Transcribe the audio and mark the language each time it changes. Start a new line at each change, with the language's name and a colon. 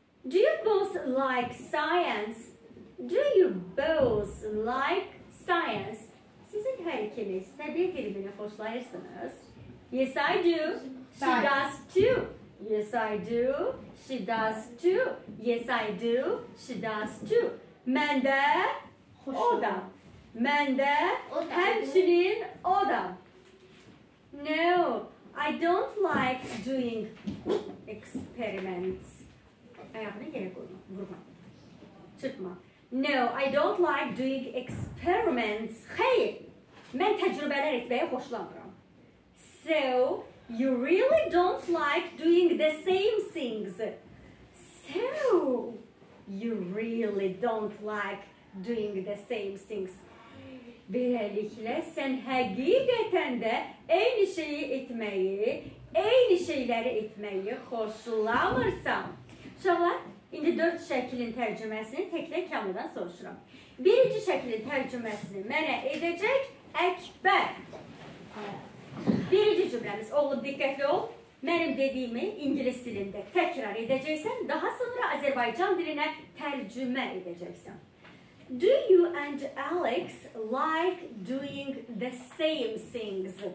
English: Do you both like science? Do you both like science?
Azerbaijani: Sizin hər ikiniz təbiət elmini xoşlayırsınız.
English: Yes, I do. She does too. Yes, I do. She does too. Yes, I do. She does too.
Azerbaijani: Mən də, o da. Mən də, həmçinin, o da.
English: No, I don't like doing experiments.
Azerbaijani: Ayağını yerə qoyma, vurma, çırpma.
English: No, I don't like doing experiments.
Azerbaijani: Xeyr, mən təcrübələr etməyi xoşlamıram.
English: So, you really don't like doing the same things. So, you really don't like doing the same things.
Azerbaijani: Beləliklə, sən həqiqətən də eyni şeyi etməyi, eyni şeyləri etməyi xoşlamırsan. Uşaqlar, indi dörd şəkilin tərcüməsini tək-tək kamıdan soruşuram. Birinci şəkilin tərcüməsini mənə edəcək Əkbər. Birinci cümləmiz, oğlum diqqətli ol, mənim dediyimi ingilis dilində təkrar edəcəksən, daha sonra Azərbaycan dilinə tərcümə edəcəksən.
English: Do you and Alex like doing the same things?